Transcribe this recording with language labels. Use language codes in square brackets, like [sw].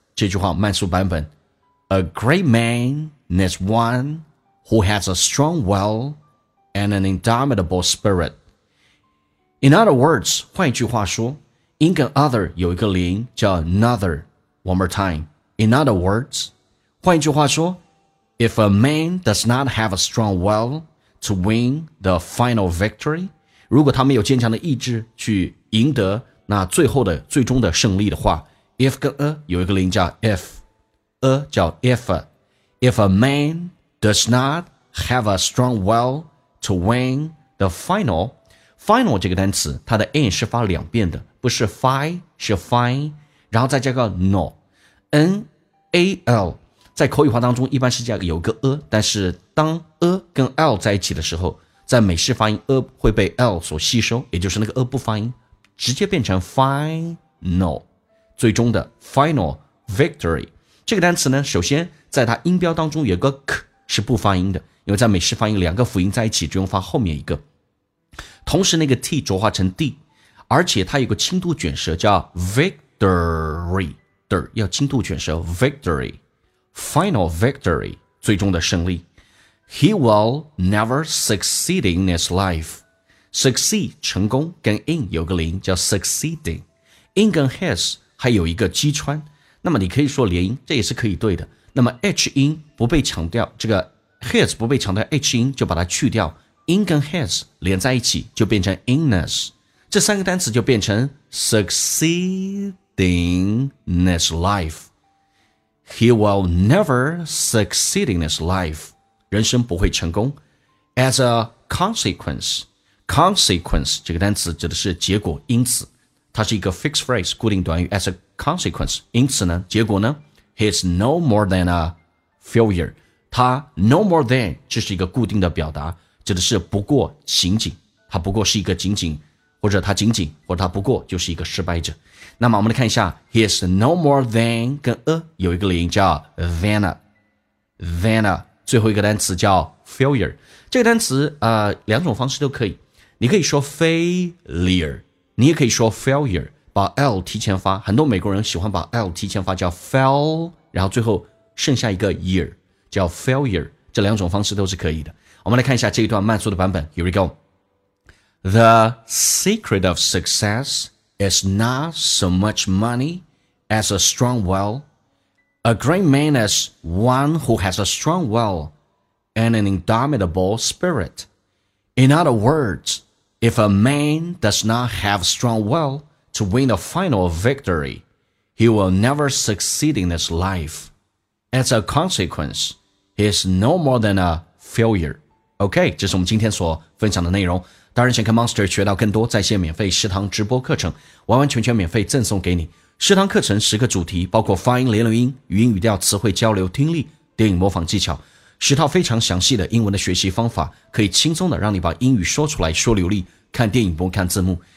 [zh] 这句话慢速版本 [en] A great man is one who has a strong will and an indomitable spirit. In other words, [zh] 换一句话说 [en] in 跟 other 有一个连叫 another. One more time. In other words, [zh] 换一句话说 [en] if a man does not have a strong will to win the final victory, [zh] 如果他没有坚强的意志去赢得那最后的最终的胜利的话 if 跟 a 有一个连叫 if a 叫 if [en] if a man does not have a strong will to win the final [zh] final 这个单词它的 n 是发两遍的不是 fi 是 fine 然后再加个 no nal 在口语化当中一般是加有个 a 但是当 a 跟 l 在一起的时候在美式发音 a 会被 l 所吸收，也就是那个 a 不发音，直接变成 final， 最终的 final victory 这个单词呢，首先在它音标当中有个 k 是不发音的，因为在美式发音两个辅音在一起，只用发后面一个。同时那个 t 浊化成 d， 而且它有个轻度卷舌叫 victory， 要轻度卷舌 victory， [en] final victory， [zh] 最终的胜利。 [en] He will never succeed in his life. [zh] Succeed, 成功跟 in 有个连叫 succeeding. In 跟 has 还有一个击穿。那么你可以说连音这也是可以对的。那么 H 音不被强调，这个 has 不被强调， H 音就把它去掉， in 跟 has 连在一起就变成 inness， 这三个单词就变成 succeeding in his life。 [en] He will never succeed in his life， [zh] 人生不会成功。 As a consequence， consequence 这个单词指的是结果，因此它是一个 [en] fixed phrase [zh] 固定短语。 [en] As a consequence， [zh] 因此呢，结果呢， [en] He's no more than a failure. [zh] 他 [en] no more than [zh] 这是一个固定的表达，指的是不过仅仅，他不过是一个仅仅，或者他仅仅，或者他不过就是一个失败者。那么我们来看一下 He's no more than 跟 a 有一个连叫 than a， than a 最后一个单词叫 failure。这个单词两种方式都可以，你可以说 failure， 你也可以说 failure，把 L 提前发，很多美国人喜欢把 L 提前发叫 fail， 然后最后剩下一个 year 叫 failure， 这两种方式都是可以的。我们来看一下这一段慢速的版本， [en] Here we go。 The secret of success is not so much money as a strong will. A great man is one who has a strong will and an indomitable spirit. In other words, if a man does not have strong willTo win a final victory, he will never succeed in his life. As a consequence, he is no more than a failure. [zh] OK, 这是我们今天所分享的内容。当然想跟 Monster 学到更多在线免费食堂直播课程，完完全全免费赠送给你。食堂课程十个主题，包括发音、连读音、语音语调、词汇交流、听力、电影模仿技巧，十套非常详细的英文的学习方法，可以轻松的让你把英语说出来，说流利，看电影不用看字幕。